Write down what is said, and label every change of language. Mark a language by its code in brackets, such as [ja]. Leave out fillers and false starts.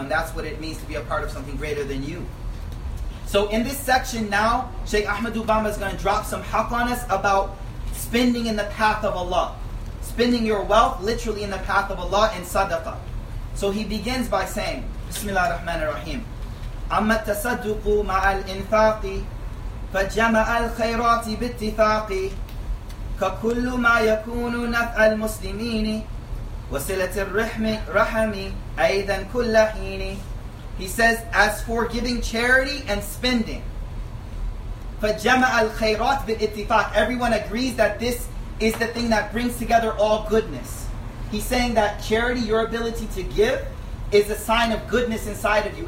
[en] And that's what it means to be a part of something greater than you. So in this section now, Sheikh Ahmed Obama is going to drop some haq on us about spending in the path of Allah. Spending your wealth literally in the path of Allah in sadaqah. So he begins by saying, Bismillah ar-Rahman ar-Rahim. [ar] أما التصدق مع الإنفاق فجمع الخيرات باتفاق ككل ما يكون نفع المسلمين وصلة الرحم رحمي أيضا كل حين. [en] He says, as for giving charity and spending, [ar] فجمع الخيرات باتفاق. [en] Everyone agrees that this is the thing that brings together all goodness. He's saying that charity, your ability to give, is a sign of goodness inside of you.